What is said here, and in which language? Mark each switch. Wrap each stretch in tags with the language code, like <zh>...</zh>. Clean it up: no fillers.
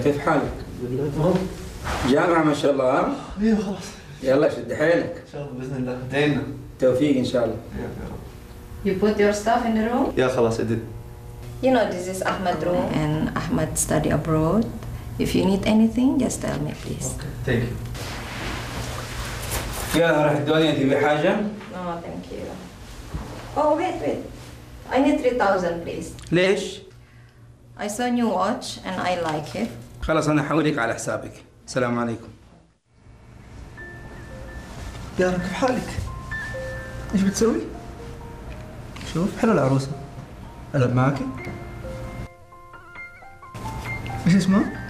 <ar>كيف حالك؟ جامعة ما شاء الله. ايه خلاص. يلا شد حيلك. ان شاء الله بإذن الله دينا. توفيق ان شاء الله.</ar> <en>You put your stuff in the room.</en> <ar>يا خلاص ادي.</ar> <en>You know this is Ahmed room and Ahmed study abroad. If you need anything just tell me please. Okay. Thank you.</en> <ar>يا راح الدنيا تبي حاجة؟</ar> <en>No, thank you. Oh, wait, wait. I need 3,000, please.</en> <ar>ليش؟</ar> <en>I saw new watch and I like it.</en> <ar>خلاص أنا حوليك على حسابك. السلام عليكم. يا رب كيف حالك؟ إيش بتسوي؟ شوف حلو العروسة. ألا معك؟ إيش اسمه؟</ar>